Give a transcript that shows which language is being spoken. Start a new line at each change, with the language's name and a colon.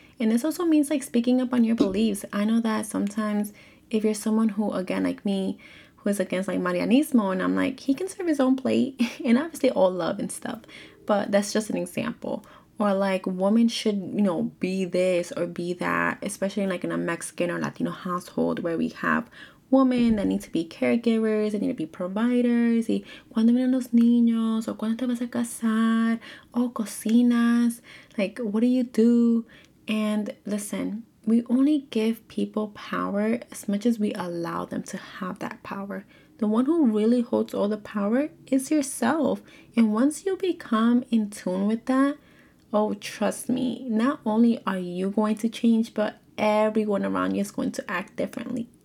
English: And this also means like speaking up on your beliefs. I know that sometimes if you're someone who, again, like me, who is against like Marianismo, and I'm like, he can serve his own plate. And obviously all love and stuff. But that's just an example. Or like, women should, you know, be this or be that, especially like in a Mexican or Latino household where we have women that need to be caregivers, they need to be providers.
Spanish: Y cuando vienen los niños, o cuando te vas a casar, o cocinas,
English: like, what do you do? And listen, we only give people power as much as we allow them to have that power. The one who really holds all the power is yourself. And once you become in tune with that, oh, trust me, not only are you going to change, but everyone around you is going to act differently.